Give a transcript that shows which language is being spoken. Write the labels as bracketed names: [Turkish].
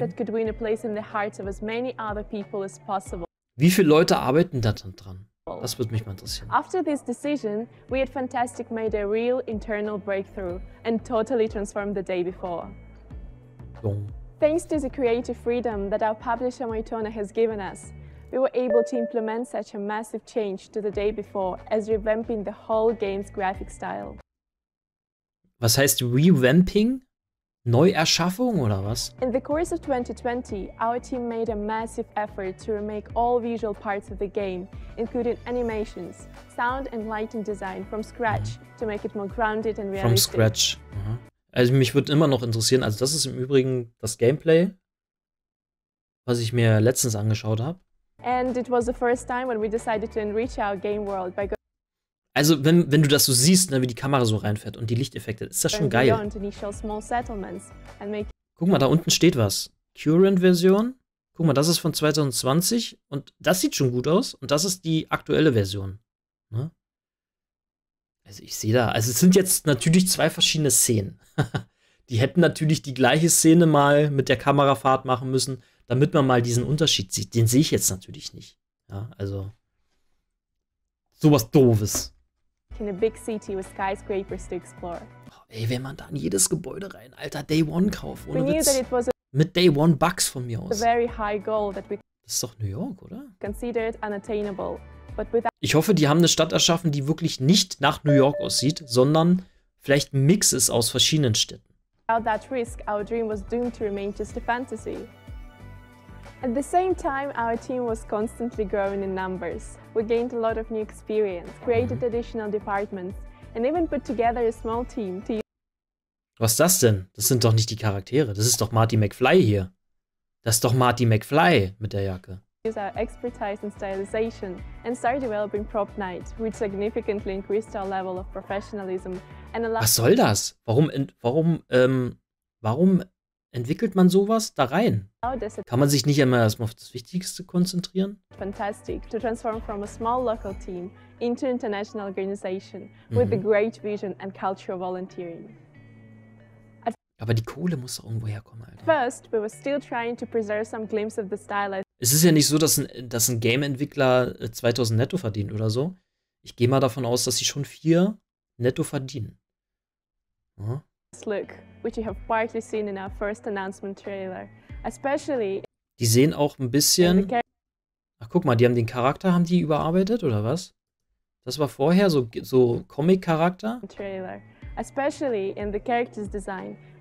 [English] that could win a place in the hearts of as many other people as possible. [German] Wie viele Leute arbeiten da dran? Das würde mich mal interessieren. [English] After this decision, we at Fntastic made a real internal breakthrough and totally transformed the day before. Boom. Thanks to the creative freedom that our publisher Moitona has given us, we were able to implement such a massive change to the day before as revamping the whole game's graphic style. [German] Was heißt revamping? Neuerschaffung oder was? [English] In the course of 2020, our team made a massive effort to remake all visual parts of the game, including animations, sound and lighting design from scratch, mhm, to make it more grounded and realistic. From scratch. Mhm. [German] Also mich würde immer noch interessieren, also das ist im Übrigen das Gameplay, was ich mir letztens angeschaut habe. [English] And it was the first time when we decided to enrich our game world by going. [German] Also wenn du das so siehst, ne, wie die Kamera so reinfährt und die Lichteffekte, ist das schon geil. [English] Small settlements and make. [German] Guck mal, da unten steht was. Current Version. Guck mal, das ist von 2020 und das sieht schon gut aus und das ist die aktuelle Version. Ne? Also ich sehe da, also es sind jetzt natürlich zwei verschiedene Szenen. Die hätten natürlich die gleiche Szene mal mit der Kamerafahrt machen müssen, damit man mal diesen Unterschied sieht. Den sehe ich jetzt natürlich nicht. Ja, also sowas Doofes. [English] In a big city with skyscrapers to explore. [German] Oh, ey, wenn man da in jedes Gebäude rein, Alter, Day One kauf, ohne Witz. Mit Day One Bucks von mir aus. [English] A very high goal that we. [German] Das ist doch New York, oder? [English] Considered unattainable, but without. [German] Ich hoffe, die haben eine Stadt erschaffen, die wirklich nicht nach New York aussieht, sondern vielleicht ein Mix ist aus verschiedenen Städten. [English] Without that risk, our dream was doomed to remain just a fantasy. At the same time, our team was constantly growing in numbers. We gained a lot of new experience, created additional departments, and even put together a small team to... [German] Was ist das denn? Das sind doch nicht die Charaktere. Das ist doch Marty McFly hier. Das ist doch Marty McFly mit der Jacke. [English] Use our expertise in stylization and start developing prop night, which significantly increased our level of professionalism and allowed... [German] Was soll das? Warum entwickelt man sowas da rein? Kann man sich nicht einmal erstmal auf das Wichtigste konzentrieren? [English] Fantastic to transform from a small local team into international organization with a great vision and cultural volunteering. [German] Aber die Kohle muss doch irgendwo herkommen, Alter. [English] First, we were still trying to preserve some glimpse of the style. [German] Es ist ja nicht so, dass ein Game-Entwickler 2000 netto verdient oder so. Ich gehe mal davon aus, dass sie schon 4 netto verdienen. Ja. [English] Look, which you have partly seen in our first announcement trailer. Especially. [German] Die sehen auch ein bisschen. Ach, guck mal, die haben den Charakter, haben die überarbeitet oder was? Das war vorher so Comic-Charakter. [English] Trailer. Especially in the character's design.